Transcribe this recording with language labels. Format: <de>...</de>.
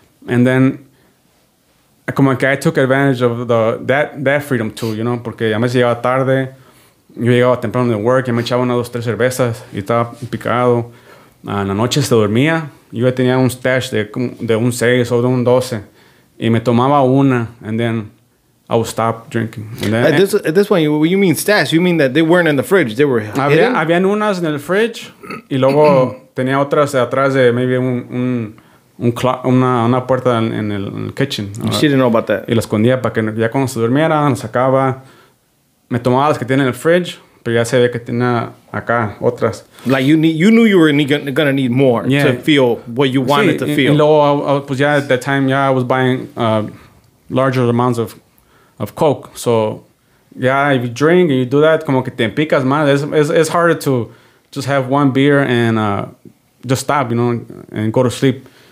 <en>And then,</en> <es>como que</es> <en>I took advantage of that freedom too, you know,</en> <es>porque a veces llegaba tarde, yo llegaba temprano de work, y me echaba una o dos, tres cervezas, y estaba picado. En la noche se dormía, yo ya tenía un stash de un 6 o de un 12, y me tomaba una,</es> <en>and then I would stop drinking. And then, at this point, you mean stash. You mean that they weren't in the fridge. They were hidden?</en> <es>Había unas en el fridge. Y luego tenía otras atrás de maybe un clock, una puerta en el kitchen.</es> <en>She didn't know about that.</en> <es>Y la escondía para que ya cuando se durmiera, la sacaba. Me tomaba las que tiene en el fridge. Pero ya se ve que tenía acá otras.</es> <en>Like you knew you were going to need more to feel what you wanted to feel.</en> <es>Y luego, pues ya</es> <en>at that time,</en> <es>ya</es> <en>I was buying larger amounts of coke. So yeah, if you drink and you do that,</en> <es>como que te picas más.</es> <en>It's harder to just have one beer and just stop, you know, and go to sleep.</en>